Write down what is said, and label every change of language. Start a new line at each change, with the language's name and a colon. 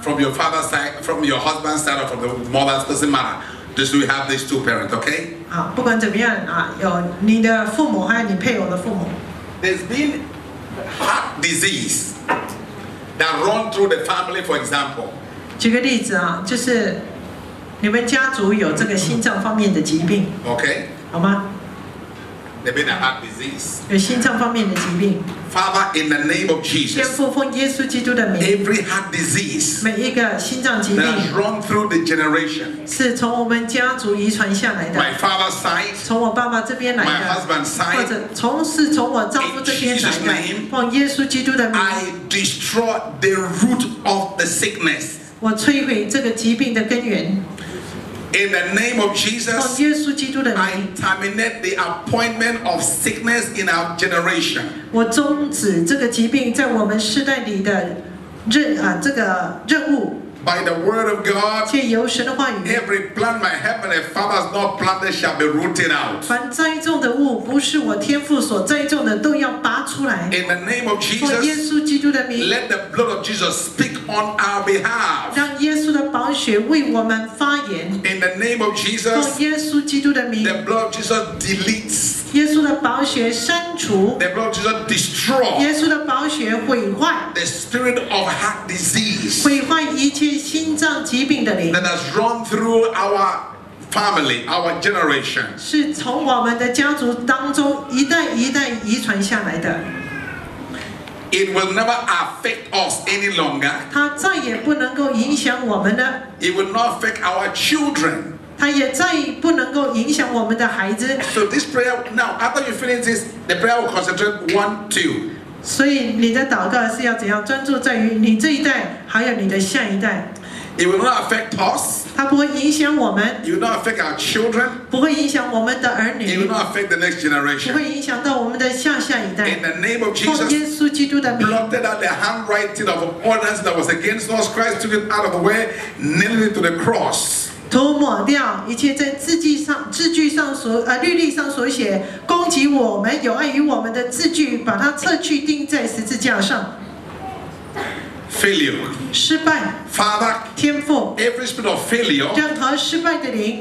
English: From your father's side, from your husband's side, or from the mother's, doesn't matter. Just we have these two parents, okay?
Chinese: 啊，不管怎么样啊，有你的父母还有你配偶的父母。
English: There's been heart disease. That run through the family, for example.
Chinese: 举个例子啊，就是你们家族有这个心脏方面的疾病。
English: Okay.
Chinese: 好吗
English: ？There been a heart disease.
Chinese: 有心脏方面的疾病。
English: Father, in the name of Jesus.
Chinese: 天父，奉耶稣基督的名。
English: Every heart disease.
Chinese: 每一个心脏疾病。
English: That run through the generation.
Chinese: 是从我们家族遗传下来的。
English: My father's side.
Chinese: 从我爸爸这边来的。
English: My husband's side.
Chinese: 或者从我丈夫这边来的。
English: In Jesus' name.
Chinese: 奉耶稣基督的名。
English: I destroy the root of the sickness.
Chinese: 我摧毁这个疾病的根源。
English: In the name of Jesus,
Chinese: 奉耶稣基督的名
English: I terminate the appointment of sickness in our generation.
Chinese: 我终止这个疾病在我们世代里的任啊这个任务
English: By the word of God,
Chinese: 借由神的话语
English: Every plant my heavenly Father has not planted shall be rooted out.
Chinese: 凡栽种的物不是我天父所栽种的都要拔出来
English: In the name of Jesus,
Chinese: 奉耶稣基督的名
English: Let the blood of Jesus speak on our behalf.
Chinese: 耶稣的宝血为我们发言。
English: In the name of Jesus,
Chinese: 奉耶稣基督的名。
English: The blood of Jesus deletes.
Chinese: 耶稣的宝血删除。
English: The blood of Jesus destroys.
Chinese: 耶稣的宝血毁坏。
English: The spirit of heart disease.
Chinese: 毁坏一切心脏疾病的灵。
English: That has run through our family, our generation.
Chinese: 是从我们的家族当中一代一代遗传下来的。
English: It will never affect us any longer.
Chinese: 它再也不能够影响我们了。
English: It will not affect our children.
Chinese: 它也再不能够影响我们的孩子。
English: So this prayer, now after you finish this, the prayer will concentrate one, two.
Chinese: 所以你的祷告是要怎样专注在于你这一代还有你的下一代。
English: It will not affect us.
Chinese: 它不会影响我们。
English: It will not affect our children.
Chinese: 不会影响我们的儿女。
English: It will not affect the next generation.
Chinese: 不会影响到我们的下下一代。
English: In the name of Jesus.
Chinese: 奉耶稣基督的名。
English: Blotted out the handwriting of ordinance that was against us. Christ took it out of the way, nailed it to the cross.
Chinese: 涂抹掉一切在字句上所律例上所写攻击我们有碍于我们的字句，把它撤去，钉在十字架上。
English: Failure.
Chinese: 失败
English: Father,
Chinese: 天父
English: Every spirit of failure.
Chinese: 任何失败的灵